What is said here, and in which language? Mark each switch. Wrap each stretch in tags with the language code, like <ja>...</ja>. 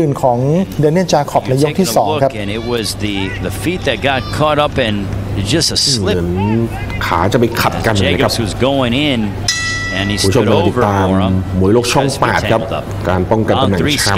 <th>นของเดเนียลจาคอบในยกที่2ครับ</th> <en>It was the feet that got caught up inJust a slip.</en> <th>ขาจะไปขัดกันนะครับ ผู้ชมในติดตามมวยโลกช่อง8ครับ มวยโลกช่อง8ครับการป้องกันตำแหน่งแชมป</th>